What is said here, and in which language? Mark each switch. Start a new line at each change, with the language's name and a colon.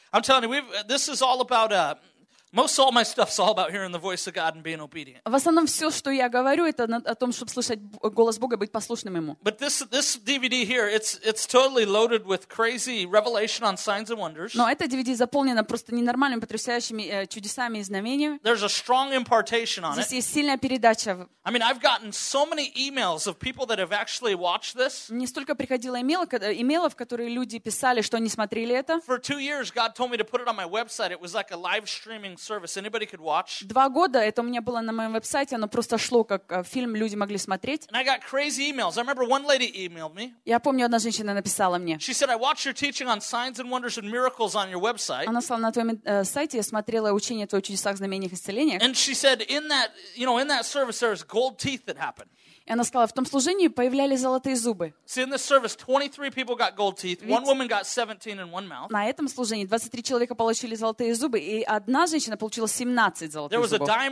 English: I'm telling you, this is all about Most all my stuff's all about hearing the voice of God and being obedient.
Russian: В основном все, что я говорю, это о том, чтобы слышать голос Бога, быть послушным ему.
English: But this DVD here, it's totally loaded with crazy revelation on signs and wonders.
Russian: Но эта DVD заполнена просто ненормальными потрясающими чудесами и знамениями.
English: There's a strong impartation on it.
Russian: Здесь есть сильная передача.
English: I mean, I've gotten so many emails of people that have actually watched this.
Russian: Мне столько приходило имейлов, которые люди писали, что они смотрели это.
English: For 2 years, God told me to put it on my website. It was like a live streaming. Service. Anybody could watch.
Russian: 2 года это у меня было на моем веб-сайте, оно просто шло как фильм, люди могли смотреть.
English: And I got crazy emails. I remember one lady emailed me.
Russian: Я помню, одна женщина написала мне.
English: She said, "I watched your teaching on signs and wonders and miracles on your website."
Russian: Она сказала, на твоем сайте я смотрела учение твоих чудесах, знамениях, исцелениях.
English: And she said, in that service there's gold teeth that happened.
Russian: И она сказала, в том служении появлялись золотые зубы. На этом служении 23 человека получили золотые зубы, и одна женщина получила 17 золотых зубов.